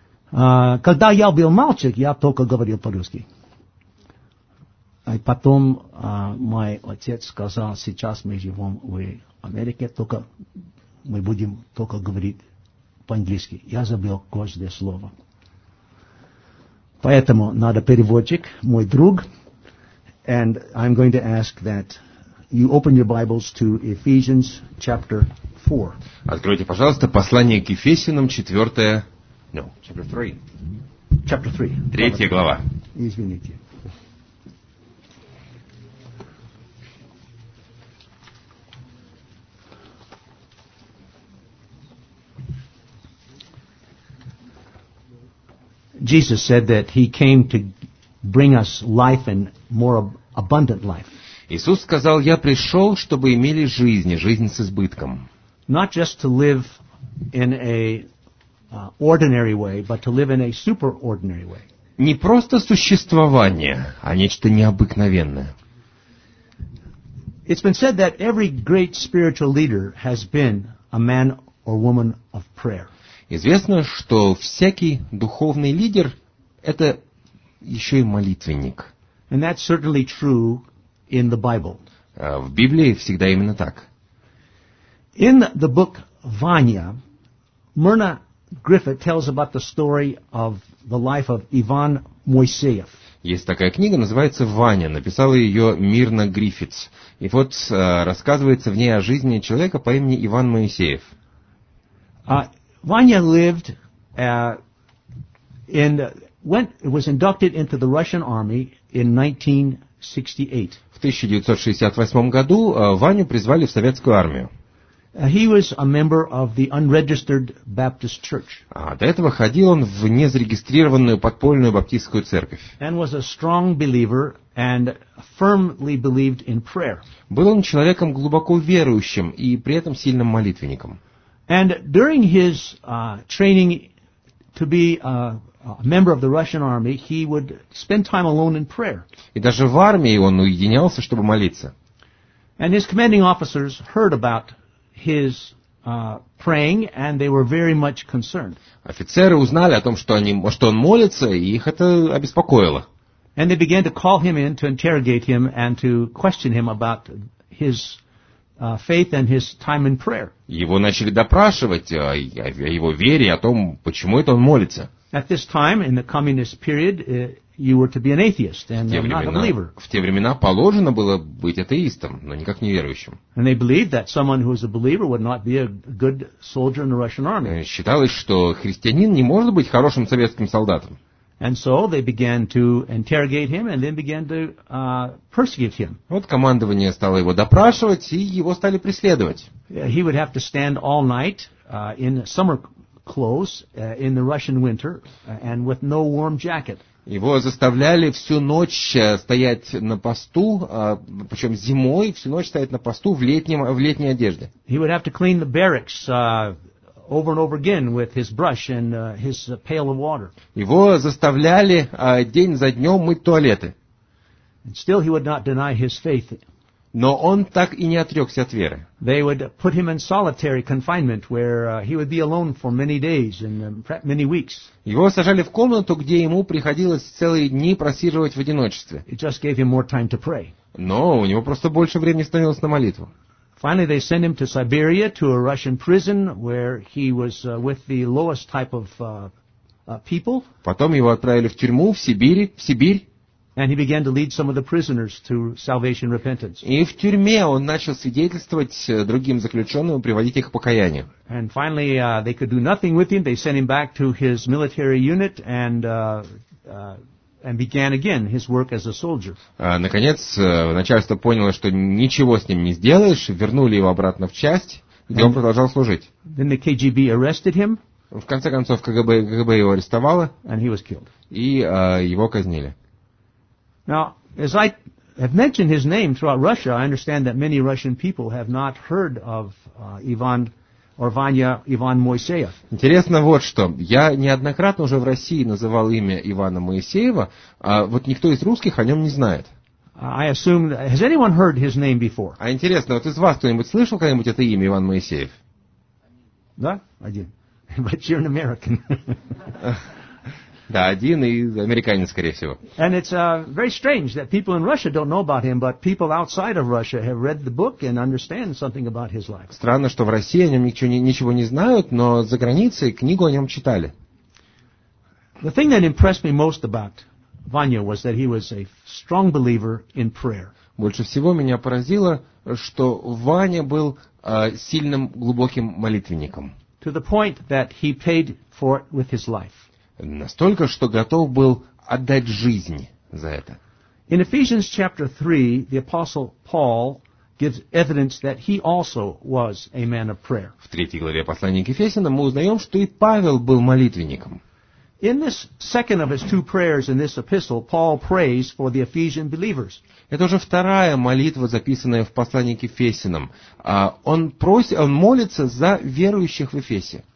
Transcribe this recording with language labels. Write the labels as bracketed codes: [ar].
[ru] Когда я был мальчик, я только говорил по-русски. И потом мой отец сказал, сейчас мы живем в Америке, только мы будем только говорить по-английски. Я забыл каждое слово. Поэтому надо переводчик, мой друг. [en] And I'm going to ask that you open your Bibles to Ephesians chapter 4. [ru] Откройте, пожалуйста, послание к Ефесянам, четвертое... [en] No, chapter 3. Chapter 3. [ru] Третья глава. Извините. [en] Jesus said that he came to bring us life and more abundant life. [ru] Иисус сказал, я пришел, чтобы имели жизнь, жизнь с избытком. [en] Not just to live in a ordinary way, but to live in a superordinary way. [ru] Не просто существование, а нечто необыкновенное. [en] It's been said that every great spiritual leader has been a man or woman of prayer. [ru] Известно, что всякий духовный лидер — это еще и молитвенник. [en] And that's certainly true in the Bible. [ru] В Библии всегда именно так. [en] In the book Vanya, Myrna Griffith tells about the story of the life of Ivan Moiseev. [ru] Есть такая книга, называется «Ваня». Написала ее Мирна Гриффитс. И вот рассказывается в ней о жизни человека по имени Иван Моисеев. [en] Ваня lived it was inducted into the Russian army in 1968. [ru] В 1968 году Ваню призвали в Советскую армию. [en] He was a member of the unregistered Baptist church. [ru] До этого ходил он в незарегистрированную подпольную баптистскую церковь. [en] And was a strong believer and firmly believed in prayer. [ru] Был он человеком глубоко верующим и при этом сильным молитвенником. [en] And during his training to be a member of the Russian army, he would spend time alone in prayer. [ru] И даже в армии он уединялся, чтобы молиться. [en] And his commanding officers heard about his praying, and they were very much concerned. [ru] Офицеры узнали о том, что он молится, и их это обеспокоило. [en] And they began to call him in to interrogate him and to question him about his faith and his time in prayer. [ru] Его начали допрашивать о его вере, о том, почему это он молится. [en] At this time, in the communist period, you were to be an atheist and not a believer. [ru] В те времена положено было быть атеистом, но никак не верующим. [en] And they believed that someone who was a believer would not be a good soldier in the Russian army. [ru] Считалось, что христианин не может быть хорошим советским солдатом. [en] And so they began to interrogate him and then began to persecute him. [ru] Вот командование стало его допрашивать и его стали преследовать. [en] He would have to stand all night in summer clothes in the Russian winter and with no warm jacket. [ru] Его заставляли всю ночь стоять на посту, причем зимой, всю ночь стоять на посту в летней одежде. [en] He would have to clean the barracks over and over again with his brush and his pail of water. [ru] Его заставляли день за днем мыть туалеты. [en] And still he would not deny his faith. [ru] Но он так и не отрекся от веры. [en] They would put him in solitary confinement where he would be alone for many days and many weeks. [ru] Его сажали в комнату, где ему приходилось целые дни просиживать в одиночестве. [en] It just gave him more time to pray. [ru] Но у него просто больше времени становилось на молитву. [en] Finally, they sent him to Siberia, to a Russian prison, where he was with the lowest type of people. [ru] Потом его отправили в тюрьму в Сибирь. [en] And he began to lead some of the prisoners to salvation repentance. [ru] И в тюрьме он начал свидетельствовать другим заключенным, приводить их к покаянию. [en] And finally, they could do nothing with him. They sent him back to his military unit and and began again his work as a soldier. [ru] Наконец, начальство поняло, что ничего с ним не сделаешь, вернули его обратно в часть, где он продолжал служить. [en] Then the KGB arrested him. [ru] В конце концов, КГБ его арестовало, [en] and he was killed. [ru] И его казнили. [en] Now, as I have mentioned his name throughout Russia, I understand that many Russian people have not heard of Ivan or Vanya Ivan Moiseyev. [ru] Интересно вот что. Я неоднократно уже в России называл имя Ивана Моисеева, а вот никто из русских о нем не знает. [en] I assume, has anyone heard his name before? [ru] А интересно, вот из вас кто-нибудь слышал когда-нибудь это имя Иван Моисеев? Да, один. [en] But you're an American. [ru] Да, один и американец, скорее всего. [en] And it's very strange that people in Russia don't know about him, but people outside of Russia have read the book and understand something about his life. [ru] Странно, что в России о нем ничего не знают, но за границей книгу о нем читали. [en] The thing that impressed me most about Vanya was that he was a strong believer in prayer. [ru] Больше всего меня поразило, что Ваня был сильным, глубоким молитвенником. [en] To the point that he paid for it with his life. [ru] Настолько, что готов был отдать жизнь за это. [en] In Ephesians chapter 3, the apostle Paul gives evidence that he also was a man of prayer. [ru] В третьей главе послания к Ефесянам мы узнаем, что и Павел был молитвенником. [en] In this second of his two prayers in this epistle, Paul prays for the Ephesian believers. [ru] Это уже вторая молитва, записанная в послании к Ефесянам. Он молится за верующих в Эфесе.